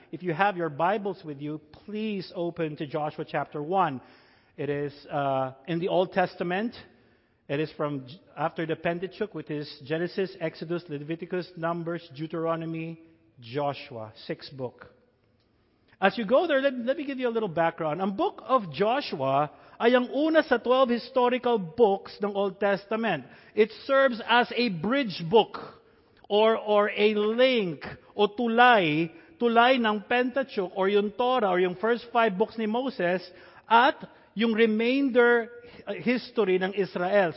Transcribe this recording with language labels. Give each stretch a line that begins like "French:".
English: If you have your Bibles with you, please open to Joshua chapter 1. It is in the Old Testament. It is from after the Pentateuch, which is Genesis, Exodus, Leviticus, Numbers, Deuteronomy, Joshua, 6th book. As you go there, let me give you a little background.
Filipino: Ang book of Joshua ay ang una sa 12 historical books ng Old Testament.
English: It serves as a bridge book or a link
Filipino: o tulay ng
English: Pentateuch or yung Torah or yung first 5 books ni Moses at yung remainder history ng Israel.